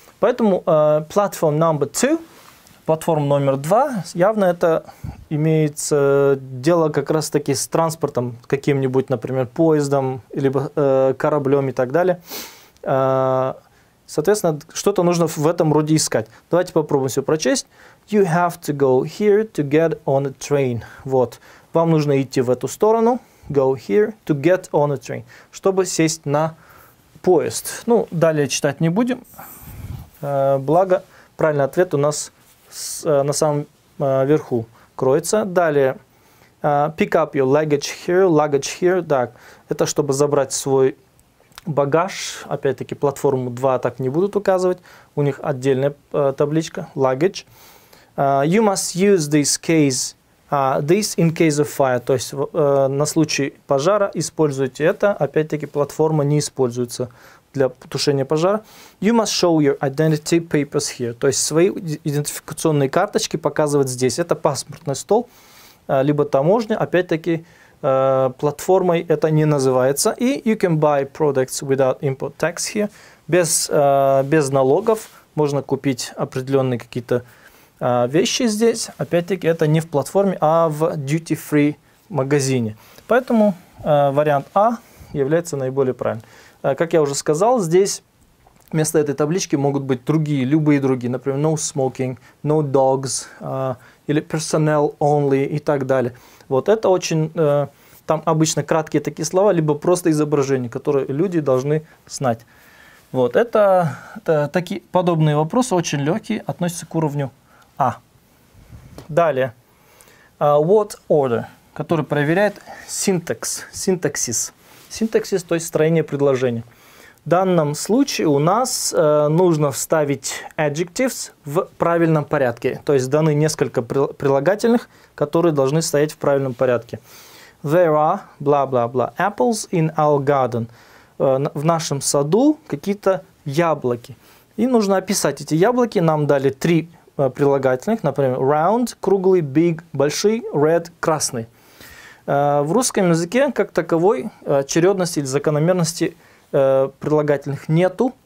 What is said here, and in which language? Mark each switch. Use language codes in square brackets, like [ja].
[ru] Поэтому [en] platform number two, [ru] платформа номер два, явно это имеется дело как раз таки с транспортом каким-нибудь, например, поездом, либо кораблем и так далее. Соответственно, что-то нужно в этом роде искать. Давайте попробуем все прочесть. [en] You have to go here to get on a train. [ru] Вот. Вам нужно идти в эту сторону. [en] Go here to get on a train. [ru] Чтобы сесть на поезд. Ну, далее читать не будем. Благо, правильный ответ у нас на самом верху кроется. Далее, [en] pick up your luggage here. Luggage here. [ru] Так, это чтобы забрать свой багаж. Опять-таки, платформу 2 так не будут указывать. У них отдельная табличка. [en] Luggage. You must use this case. This in case of fire. [ru] То есть на случай пожара используйте это. Опять-таки, платформа не используется для тушения пожара. [en] You must show your identity papers here. [ru] То есть свои идентификационные карточки показывать здесь. Это паспортный стол, либо таможня. Опять-таки, платформой это не называется. [en] И you can buy products without import tax here. [ru] Без налогов можно купить определенные какие-то вещи здесь. Опять-таки, это не в платформе, а в duty-free магазине. Поэтому вариант А является наиболее правильным. Как я уже сказал, здесь вместо этой таблички могут быть другие, любые другие. Например, [en] no smoking, no dogs, [ru] или [en] personnel only [ru] и так далее. Вот это очень, там обычно краткие такие слова, либо просто изображения, которые люди должны знать. Вот это такие подобные вопросы, очень легкие, относятся к уровню А. Далее, [en] what order, [ru] который проверяет синтаксис, то есть строение предложения. В данном случае у нас нужно вставить adjectives в правильном порядке, то есть даны несколько прилагательных, которые должны стоять в правильном порядке. [en] There are, [ru] бла-бла-бла, [en] apples in our garden. [ru] В нашем саду какие-то яблоки. И нужно описать эти яблоки, нам дали три прилагательных, например, round, круглый, big, большой, red, красный. В русском языке, как таковой, очередности или закономерности прилагательных нету,